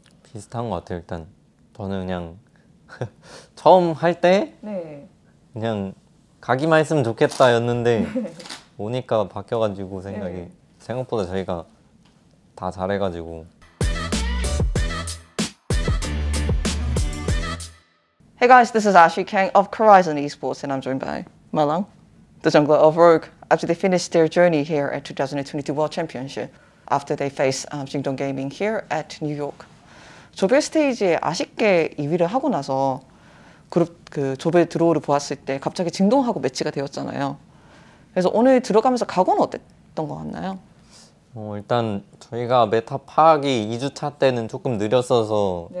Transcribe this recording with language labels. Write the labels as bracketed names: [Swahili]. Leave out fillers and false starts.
[Korean] 비슷한 것 같아요. 일단 저는 그냥 처음 할때 네. 그냥 가기만 했으면 좋겠다였는데 오니까 바뀌어가지고 생각이 생각보다 저희가 다 잘해가지고 [English] Hey guys, this is Ashley Kang of Korizon Esports, and I'm joined by Malrang, the jungler of Rogue, after they finished their journey here at 2022 World Championship, after they face Jingdong Gaming here at New York. [Korean] 조별 스테이지에 아쉽게 2위를 하고 나서 조별 드로우를 보았을 때 갑자기 진동하고 매치가 되었잖아요. 그래서 오늘 들어가면서 각오는 어땠던 것 같나요? 일단 저희가 메타 파악이 2주차 때는 조금 느렸어서